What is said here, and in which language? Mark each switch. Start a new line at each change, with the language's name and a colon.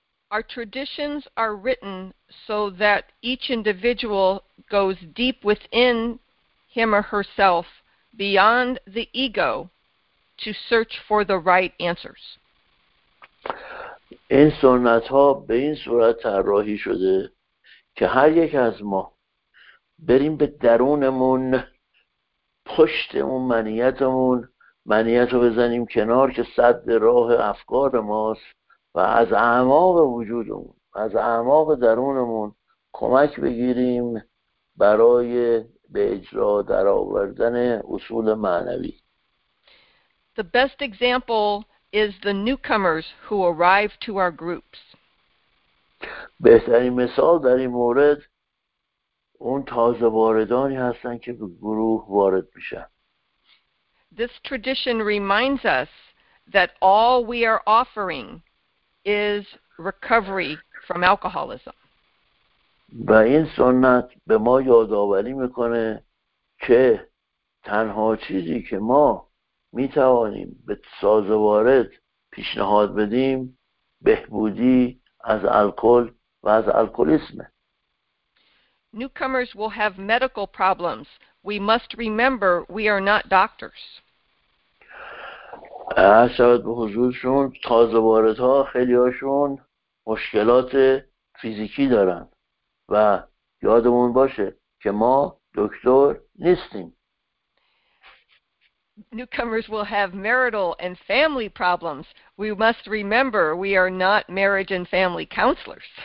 English: Our traditions are written so that each individual goes deep within him or herself beyond the ego to search for the right answers.
Persian: این سنت ها به این صورت طراحی شده که هر یک از ما بریم به درونمون پشت اون منیتمون منیت رو بزنیم کنار که سد راه افکار ماست و از اعماق وجودمون از اعماق درونمون کمک بگیریم برای به اجرا در آوردن اصول معنوی.
English: The best example is the newcomers who arrive to our groups.
Persian: بهترین مثال در این مورد اون تازه واردانی هستن که به گروه وارد میشن.
English: This tradition reminds us that all we are offering is recovery from alcoholism.
Persian: و این سنت به ما یادآوری میکنه که تنها چیزی که ما می توانیم به تازه وارد پیشنهاد بدیم بهبودی از الکل و از الکلیسم.
English: Newcomers will have medical problems. We must remember we are not doctors.
Persian: عرض به حضورشون تازه واردها خیلی هاشون مشکلات فیزیکی دارن و یادمون باشه که ما دکتر نیستیم.
English: Newcomers will have marital and family problems. We must remember we are not marriage and family counselors.